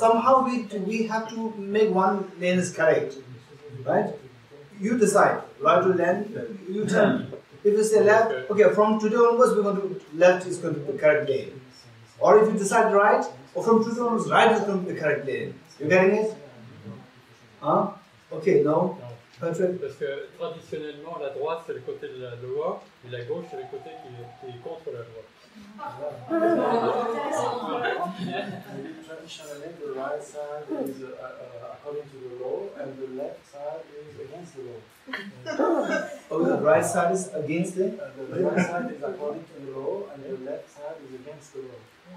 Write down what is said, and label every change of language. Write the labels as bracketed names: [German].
[English] Somehow we have to make one lane is correct. Right? You decide. Right or left? You tell me. If you say left, okay, from today onwards, we're going to left is going to be correct lane. Or if you decide right, or from choosing one who's right will come the correct lane. You getting it? Huh? Okay, no? Perfect. [French] Parce que traditionnellement, la droite c'est le côté de la loi, et la gauche c'est le côté qui est contre la loi. [English] Traditionally, the right side is according to the law, and the left side is against the law. Oh, the right side is against it? The right side is according to the law, and the left side is against the law.